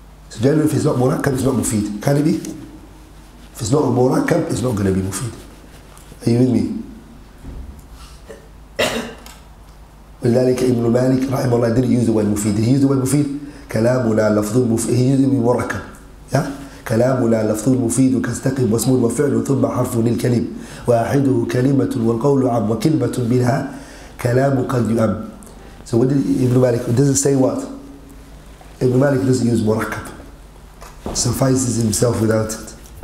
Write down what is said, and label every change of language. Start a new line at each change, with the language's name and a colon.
English: So generally, if it's not murakkab, it's not mufid. Can it be? If it's not a murakkab, it's not going to be mufid. Are you with me?
Arabic: ولذلك ابن مالك رحمه الله
English: didn't use the word mufid. Did he use the word mufid?
Arabic: كلامنا لفظ مفيد.
English: He used it in murakkab. Yeah.
Arabic: كلامنا لفظ مفيد كاستقيم واسم وفعل ثم حرف للكلم واحده كلمة والقول عام وكلمة منها كلام قد يؤم.
English: So what did Ibn Malik, doesn't say what? Ibn Malik doesn't use مركب. Suffices himself without it.